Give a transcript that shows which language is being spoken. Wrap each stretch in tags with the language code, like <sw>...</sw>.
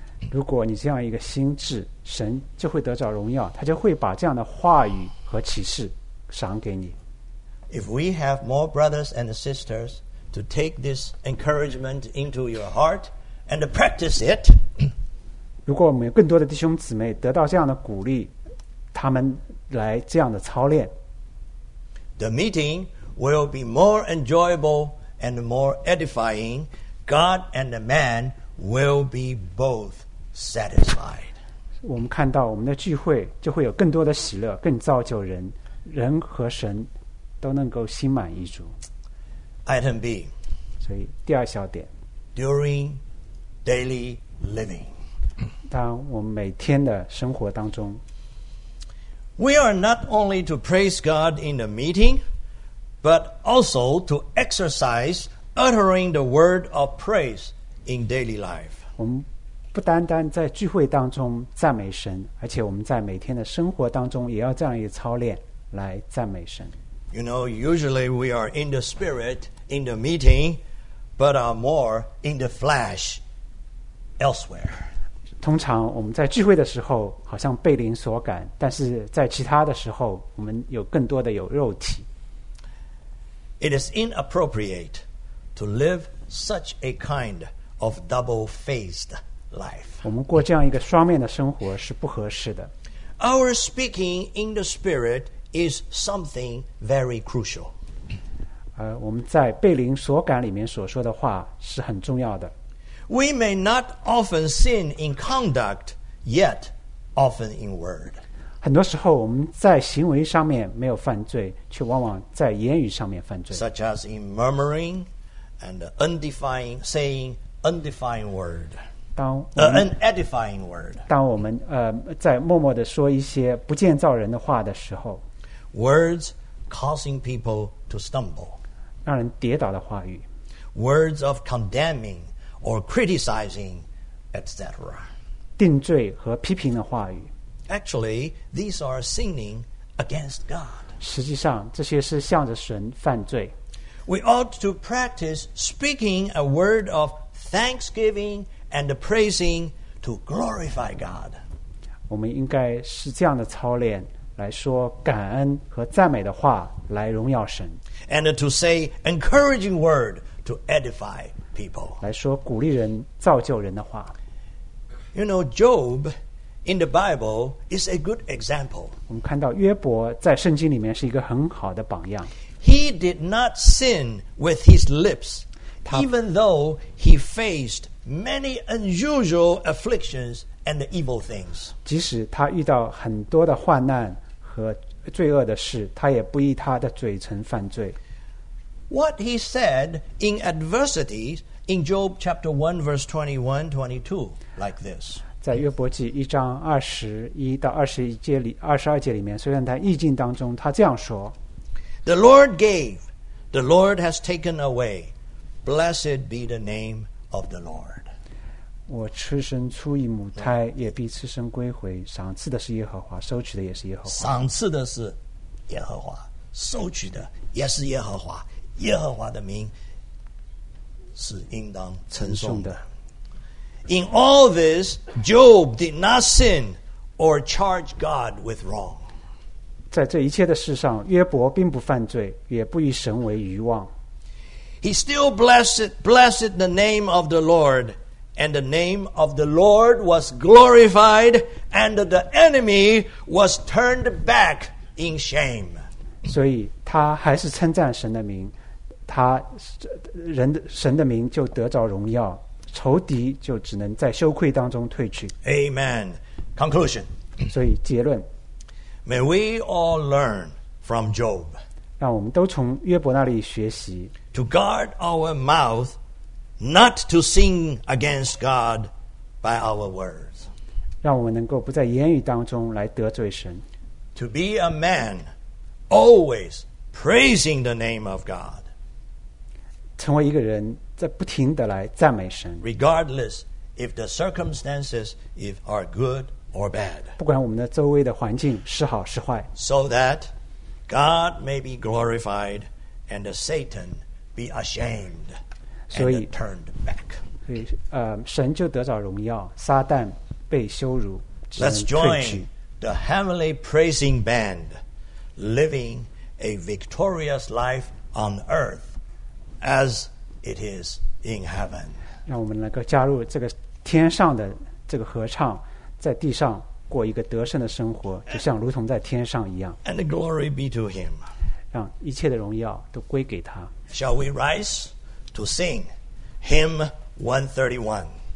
<zh>如果你这样一个心智，神就会得着荣耀，他就会把这样的话语和启示赏给你。</zh> <en>If we have more brothers and sisters to take this encouragement into your heart and practice it,</en> <zh>如果我们有更多的弟兄姊妹得到这样的鼓励，他们来这样的操练。</zh> <en>The meeting will be more enjoyable and more edifying. God and the man will be both satisfied.</en> <zh>我们看到我们的聚会就会有更多的喜乐，更造就人，人和神都能够心满意足。</zh> <en>Item B.</en> <zh>所以第二小点。</zh> <en>During daily living.</en> <zh>当我们每天的生活当中。</zh> <en>We are not only to praise God in the meeting, but also to exercise uttering the word of praise in daily life.</en> <zh>我们不单单在聚会当中赞美神，而且我们在每天的生活当中也要这样一个操练来赞美神。</zh> <en>You know, usually we are in the spirit in the meeting, but are more in the flesh elsewhere.</en> <zh>通常我们在聚会的时候好像被灵所感，但是在其他的时候我们有更多的有肉体。</zh> <en>It is inappropriate to live such a kind of double-faced life.</en> <zh>我们过这样一个双面的生活是不合适的。</zh> <en>Our speaking in the spirit is something very crucial.</en> <zh>我们在被灵所感里面所说的话是很重要的。</zh> <en>We may not often sin in conduct, yet often in word.</en> <zh>很多时候我们在行为上面没有犯罪，却往往在言语上面犯罪。</zh> <en>Such as in murmuring and undefying, saying undefying word. An edifying word.</en> <zh>当我们在默默地说一些不建造人的话的时候。</zh> <en>Words causing people to stumble.</en> <zh>让人跌倒的话语。</zh> <en>Words of condemning. Or criticizing, etc.</en> <zh>定罪和批评的话语。</zh> <en>Actually, these are sinning against God.</en> <zh>实际上，这些是向着神犯罪。</zh> <en>We ought to practice speaking a word of thanksgiving and praising to glorify God.</en> <zh>我们应该是这样的操练，来说感恩和赞美的话来荣耀神。</zh> <en>And to say encouraging word to edify people.</en> <zh>来说鼓励人造就人的话。</zh> <en>You know, Job in the Bible is a good example.</en> <zh>我们看到约伯在圣经里面是一个很好的榜样。</zh> <en>He did not sin with his lips, even though he faced many unusual afflictions and evil things.</en> <zh>即使他遇到很多的患难和罪恶的事，他也不依他的嘴唇犯罪。</zh> <en>What he said in adversity in Job chapter 1 verse 21-22 like this.</en> <zh>在约伯记一章21-22节里面，虽然他逆境当中，他这样说。</zh> <en>The Lord gave, the Lord has taken away. Blessed be the name of the Lord.</en> <zh>我吃身出于母胎，也必吃身归回。赏赐的是耶和华，收取的也是耶和华。赏赐的是耶和华，收取的也是耶和华。耶和华的名是应当称颂的。</zh> <en>In all this, Job did not sin or charge God with wrong.</en> <zh>在这一切的事上，约伯并不犯罪，也不以神为余妄。</zh> <en>He still blessed the name of the Lord, and the name of the Lord was glorified, and the enemy was turned back in shame.</en> <zh>所以他还是称赞神的名。他人神的名就得着荣耀，仇敌就只能在羞愧当中退去。</zh> <en>Amen. Conclusion.</en> <zh>所以结论。</zh> <en>May we all learn from Job.</en> <zh>让我们都从约伯那里学习。</zh> <en>To guard our mouth, not to sin against God by our words.</en> <zh>让我们能够不在言语当中来得罪神。</zh> <en>To be a man, always praising the name of God.</en> <zh>成为一个人，在不停地来赞美神。</zh> <en>Regardless if the circumstances if are good or bad，</en> <zh>不管我们的周围的环境是好是坏。</zh> <en>So that God may be glorified and Satan be ashamed and turned back。</en> <zh>所以，神就得着荣耀，撒旦被羞辱，只能退去。</zh> <en>Let's join the heavenly praising band, living a victorious life on earth. As it is in heaven.</en> <zh>让我们能够加入这个天上的这个合唱，在地上过一个得胜的生活，就像如同在天上一样。</zh> <en>And glory be to him.</en> <zh>让一切的荣耀都归给他。</zh> <en>Shall we rise to sing hymn 131?</en>